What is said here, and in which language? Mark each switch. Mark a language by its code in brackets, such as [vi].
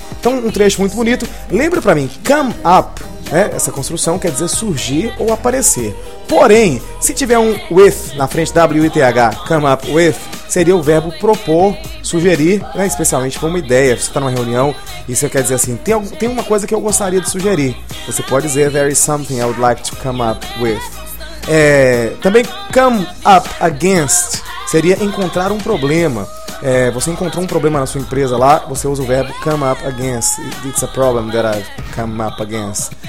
[pt] Então, um trecho muito bonito. Lembra pra mim, come up, né? Essa construção quer dizer surgir ou aparecer. Porém, se tiver um with na frente, W-I-T-H, come up with, seria o verbo propor, sugerir, né? Especialmente com uma ideia. Você está numa reunião e você quer dizer assim, tem uma coisa que eu gostaria de sugerir. Você pode dizer, [en] there is something I would like to come up with. [pt] É, também, come up against seria encontrar um problema. É, você encontrou um problema na sua empresa lá, você usa o verbo come up against. [en] It's a problem that I've come up against.